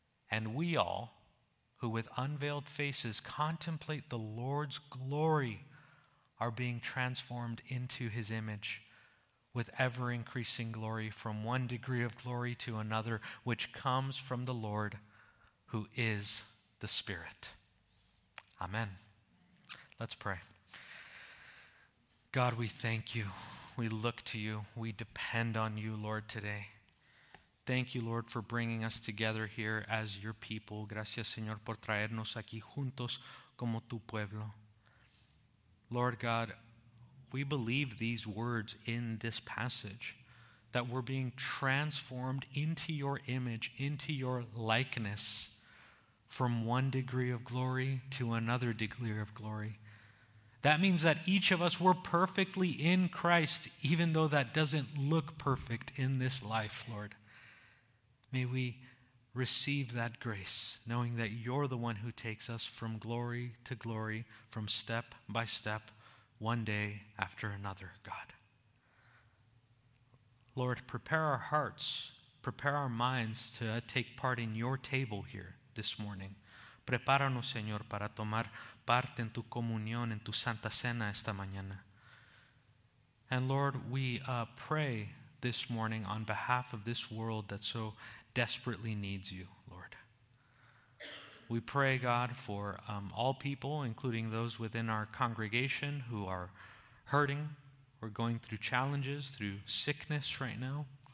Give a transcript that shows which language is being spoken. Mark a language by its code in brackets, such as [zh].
[en] And we all, who with unveiled faces contemplate the Lord's glory, are being transformed into his image, with ever-increasing glory from one degree of glory to another, which comes from the Lord, who is the Spirit. Amen. Let's pray. God, we thank you. We look to you. We depend on you, Lord, today. Thank you, Lord, for bringing us together here as your people. [es] Gracias, Señor, por traernos aquí juntos como tu pueblo. [en] Lord God, we believe these words in this passage, that we're being transformed into your image, into your likeness, from one degree of glory to another degree of glory. That means that each of us, we're perfectly in Christ, even though that doesn't look perfect in this life, Lord. May we receive that grace, knowing that you're the one who takes us from glory to glory, from step by step, one day after another, God. Lord, prepare our hearts, prepare our minds to take part in your table here this morning. [es] Prepáranos, Señor, para tomar parte en tu comunión, en tu santa cena esta mañana. [en] And Lord, we pray this morning on behalf of this world that so desperately needs you, Lord. We pray, God, for all people, including those within our congregation who are hurting or going through challenges, through sickness right now.